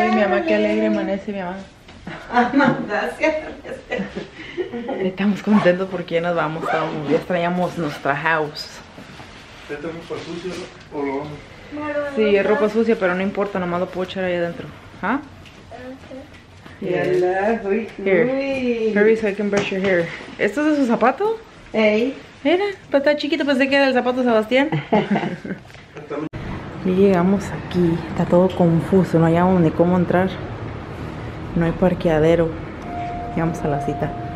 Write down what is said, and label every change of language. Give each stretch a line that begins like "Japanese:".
Spanish: Ay, mi mamá, qué alegre amanece, mi mamá. Amanda, cierra. Estamos contentos porque ya nos vamos. Estábamos, ya extrañamos nuestra house. ¿Esta es ropa sucia o lo vamos? Sí, es ropa sucia, pero no importa, nomás lo puedo echar ahí adentro. ¿Ah?
English: Yeah. Here, hurry so I can brush your hair.
Spanish: ¿Esto es de su zapato? Ey. Mira, pero está chiquito, pensé que era el zapato Sebastián. Y llegamos aquí, está todo confuso, no hallamos ni cómo entrar. No hay parqueadero. Llegamos a la cita.